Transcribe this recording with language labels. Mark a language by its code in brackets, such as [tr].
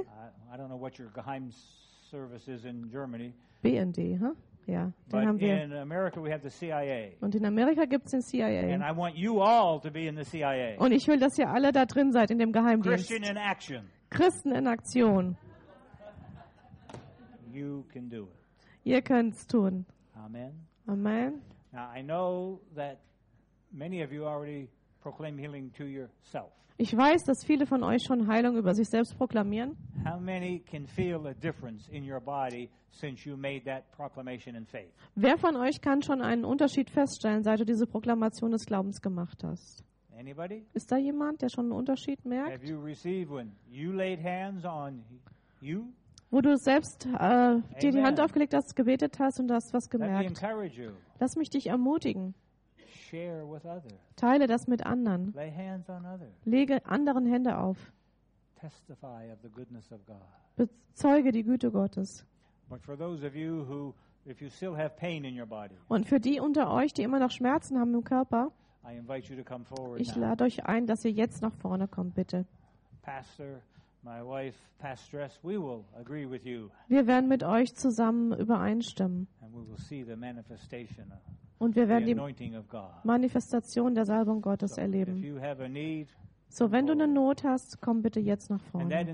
[en] I don't know what your Geheimservice is in Germany. [de] BND, huh? Ja, [en] but [de] den haben wir. [en] In America we have the CIA. [de] Und in Amerika gibt's den CIA. [en] And I want you all to be in the CIA. [de] Und ich will, dass ihr alle da drin seid in dem Geheimdienst. [en] Christian in action. [de] Christen in Aktion. [en] You can do it. [de] Ihr könnt's tun. [en] Amen. [de] Amen. [en] Now I know that many of you already. Proclaim healing to yourself. [de] Ich weiß, dass viele von euch schon Heilung über sich selbst proklamieren. [en] How many can feel a difference in your body since you made that proclamation in faith? [de] Wer von euch kann schon einen Unterschied feststellen, seit du diese Proklamation des Glaubens gemacht hast? [en] Anybody? [de] Ist da jemand, der schon einen Unterschied merkt? [en] Have you received when you laid hands on you? [de] Wo du selbst dir die Hand aufgelegt hast, gebetet hast und hast was gemerkt. [en] Let me encourage you. [de] Lass mich dich ermutigen. [en] Share with others. [de] Teile das mit anderen. [en] Lay hands on others. [de] Lege anderen Hände auf. [en] Testify of the goodness of God. [de] Bezeuge die Güte Gottes. [en] But for those of you who, if you still have pain in your body, [de] und für die unter euch, die immer noch Schmerzen haben im Körper, [en] I invite you to come forward. [de] Ich lade euch ein, dass ihr jetzt nach vorne kommt, bitte. [en] Pastor, my wife, Pastress, we will agree with you. [de] Wir werden mit euch zusammen übereinstimmen. [en] And we will see the manifestation. [de] Und wir werden die Manifestation der Salbung Gottes erleben. So, wenn du eine Not hast, komm bitte jetzt nach vorne.